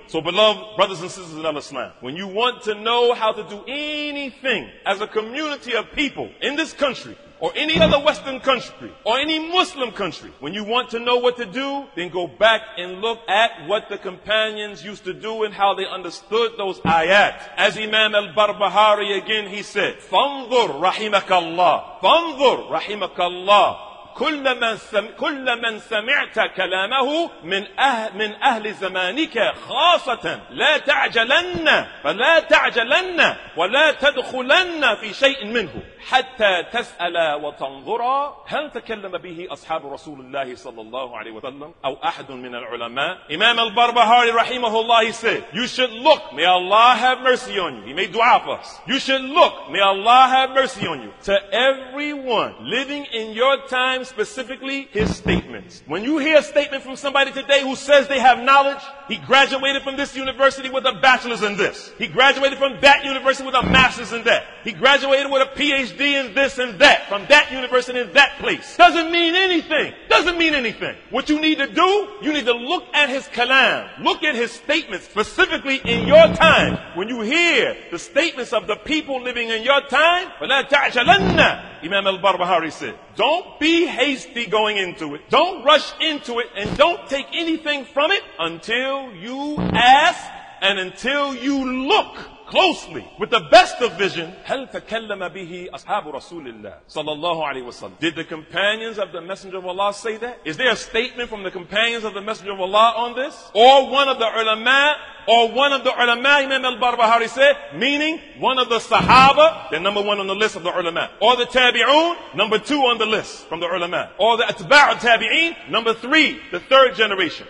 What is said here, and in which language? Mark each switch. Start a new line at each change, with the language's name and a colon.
English: So beloved brothers and sisters in Islam, when you want to know how to do anything as a community of people in this country, or any other Western country, or any Muslim country, when you want to know what to do, then go back and look at what the companions used to do and how they understood those ayat.
Arabic: As Imam al-Barbahari again, he said, فَانْظُرْ رَحِمَكَ اللَّهُ فَانْظُرْ رَحِمَكَ اللَّهُ كل من سمعت كلامه من أهل زمانك خاصة. لا تعجلن، فلا تعجلن ولا تدخلن في شيء منه حتى تسأل وتنظر هل تكلم به أصحاب رسول الله صلى الله عليه وسلم أو أحد من العلماء.
English: إمام البربهاري رحمه الله said, you should look, may Allah have mercy on you. He made dua for us. You should look, may Allah have mercy on you, to everyone living in your time, specifically his statements. When you hear a statement from somebody today who says they have knowledge, he graduated from this university with a bachelor's in this. He graduated from that university with a master's in that. He graduated with a PhD in this and that, from that university in that place. Doesn't mean anything. Doesn't mean anything. What you need to do, you need to look at his kalam. Look at his statements, specifically in your time. When you hear the statements of the people living in your time,
Arabic: فَلَا تَعْجَلَنَّ
English: Imam al-Barbahari said, don't be hasty going into it. Don't rush into it and don't take anything from it until you ask and until you look closely with the best of vision.
Arabic: هل تكلم به أصحاب رسول الله صلى الله عليه وسلم.
English: Did the companions of the Messenger of Allah say that? Is there a statement from the companions of the Messenger of Allah on this? Or one of the ulama? Or one of the ulama, Imam al-Barbahari said, meaning one of the Sahaba, the number one on the list of the ulama. Or the Tabi'un, number two on the list from the ulama. Or the Atba' al-Tabi'een, number three, the third generation.